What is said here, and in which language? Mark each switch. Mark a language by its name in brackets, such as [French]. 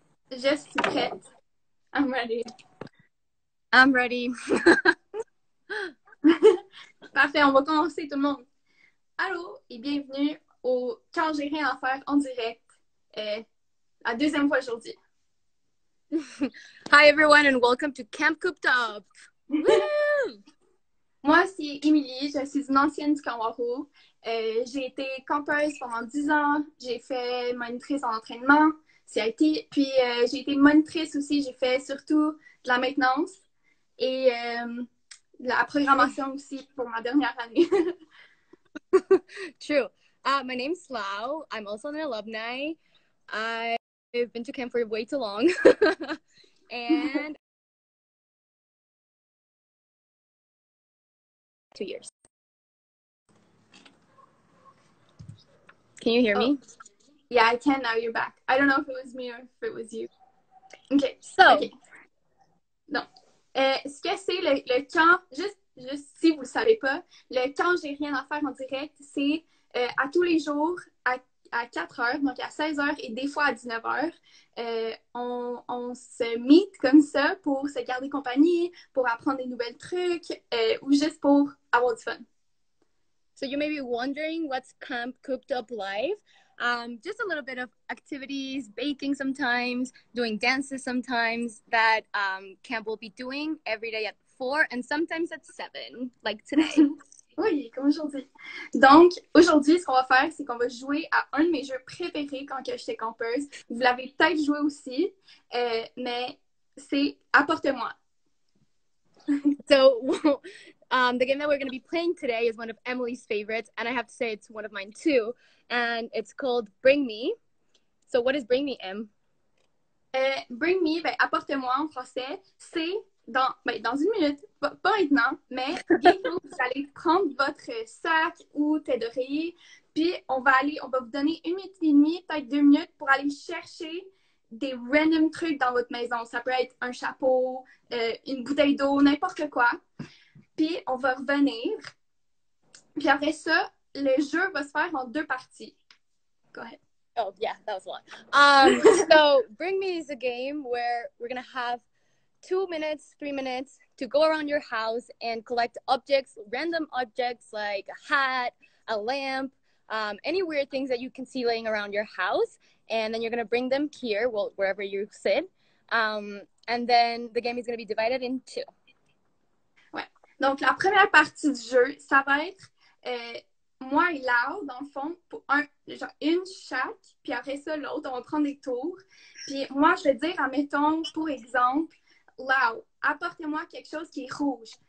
[English] Just hit. I'm ready. I'm ready. [French] Parfait, on va commencer tout le monde. Allô et bienvenue au Quand j'ai rien à faire en direct, la deuxième fois aujourd'hui. [English] Hi everyone and welcome to Camp Cooped Up. [French] Moi, c'est Émilie, je suis une ancienne du Camp Waro. J'ai été campeuse pendant 10 ans, j'ai fait monitrice en entraînement, CIT, puis j'ai été monitrice aussi, j'ai fait surtout de la maintenance et de la programmation aussi pour ma dernière année. [English] True. My name's Lau, I'm also an alumni. I've been to camp for way too long. And 2 years. Can you hear me? Yeah, I can now. You're back. I don't know if it was me or if it was you. Okay. So. [French] Non. Ce que c'est le camp, juste si vous ne savez pas, le camp j'ai rien à faire en direct, c'est à tous les jours à 4 heures, donc à 16 heures et des fois à 19 heures. On se meet comme ça pour se garder compagnie, pour apprendre des nouveaux trucs ou juste pour avoir du fun. [English] So you may be wondering what's Camp Cooped Up Life. Just a little bit of activities, baking sometimes, doing dances sometimes that camp will be doing every day at 4 and sometimes at 7, like today. [French] Oui, comme aujourd'hui. Donc, aujourd'hui, ce qu'on va faire, c'est qu'on va jouer à un de mes jeux préférés quand j'étais campeuse. Vous l'avez peut-être joué aussi, mais c'est Apporte-moi. [English] So... the game that we're going to be playing today is one of Emily's favorites, and I have to say it's one of mine too, and it's called Bring Me. So what is bring me, M? [French] Bring me, ben, apporte-moi en français, c'est dans, ben, dans une minute, pas maintenant, mais bientôt, vous allez prendre votre sac ou tête d'oreiller, puis on va aller, on va vous donner une minute et demie, peut-être deux minutes, pour aller chercher des random trucs dans votre maison. Ça peut être un chapeau, une bouteille d'eau, n'importe quoi. Puis on va revenir. Puis après ça, le jeu va se faire en deux parties. [English] Go ahead. Oh, yeah, that was a lot. so, bring me is a game where we're going to have 2 minutes, 3 minutes to go around your house and collect objects, random objects like a hat, a lamp, any weird things that you can see laying around your house. And then you're going to bring them here, well, wherever you sit. And then the game is going to be divided in two. [French] Ouais. Donc, la première partie du jeu, ça va être... moi et Lau, dans le fond, pour un, genre une chaque, puis après ça, l'autre, on va prendre des tours. Puis moi, je vais dire, admettons, pour exemple, Lau, apportez-moi quelque chose qui est rouge.